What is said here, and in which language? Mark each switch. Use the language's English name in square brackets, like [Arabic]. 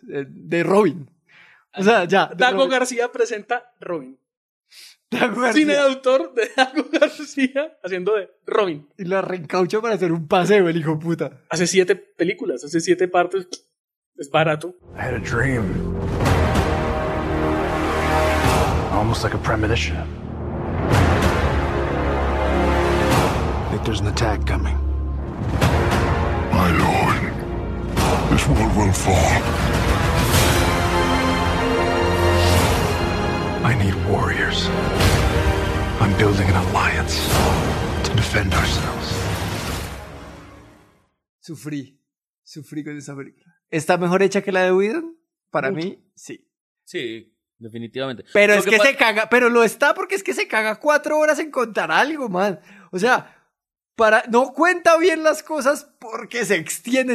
[Spanish] De Robin. O sea, ya. Dago García presenta Robin. Dago García. Cine de autor de Dago García haciendo de Robin. Y la reencaucha para hacer un paseo, el hijo puta. Hace 7 películas, hace 7 partes. Es barato. [English] I had a dream. Almost like a premonition. That there's an attack coming. My lord, this world will fall. I need warriors. I'm building an alliance to defend ourselves. [Spanish] Sufrí con esa película. ¿Está mejor hecha que la de Whedon? Para mí, sí. Sí. Definitivamente. Pero es que se caga. Pero lo está porque es que se caga 4 horas en contar algo, man. O sea, para no cuenta bien las cosas porque se extiende.